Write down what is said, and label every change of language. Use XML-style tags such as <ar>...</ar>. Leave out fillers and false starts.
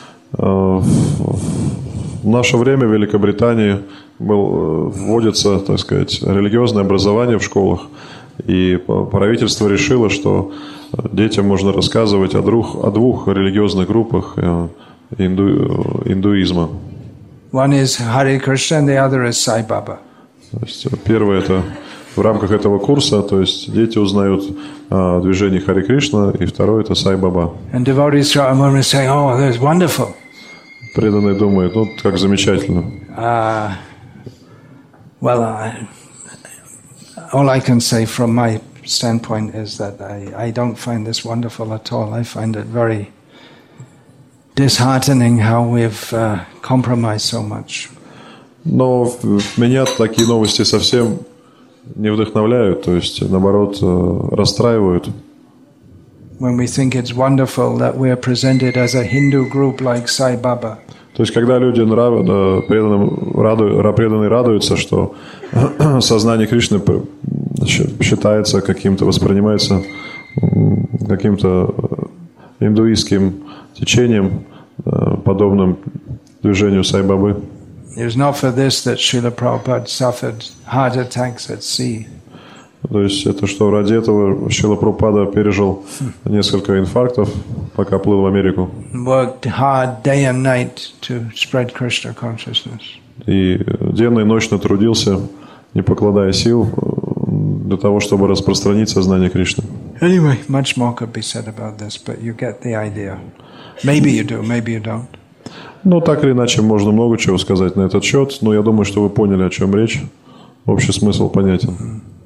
<ru>В наше время в Великобритании вводится, так сказать, религиозное образование в школах, и правительство решило, что детям можно рассказывать о двух религиозных группах индуизма.</ru> <en>One is Hare Krishna, the other is Sai Baba.</en> <ru>То есть первое — это в рамках этого курса, то есть дети узнают о движении Харе Кришна, и второе — это Сай Баба.</ru> <en>And devotees throughout the moment say, oh, that is wonderful.</en> <ru>Преданные думают, ну, как замечательно.</ru> <en>Well, all I can say from my standpoint is that I don't find this wonderful at all. I find it very disheartening how we've compromised so much.</en> <ru>Но меня такие новости совсем не вдохновляют, то есть, наоборот, расстраивают.</ru> <en>When we think it's wonderful that we are presented as a Hindu group like Sai Baba.</en> <ru>То есть, когда люди преданные радуются, что сознание Кришны считается каким-то, воспринимается каким-то индуистским течением, подобным движению Сай Бабы.</ru> <en>It was not for this that Srila Prabhupada suffered heart attacks at sea.</en> <ru>То есть это что ради этого Шрила Прабхупада пережил несколько инфарктов, пока плыл в Америку.</ru> <en>Worked hard day and night to spread Krishna consciousness.</en> <ru>И денно и ночно трудился, не покладая сил, для того, чтобы распространить сознание Кришны.</ru> <en>Anyway, much more could be said about this, but you get the idea. Maybe you do, maybe you don't.</en> <ru>Ну, так или иначе, можно много чего сказать на этот счет, но я думаю, что вы поняли, о чем речь. Общий смысл понятен.</ru>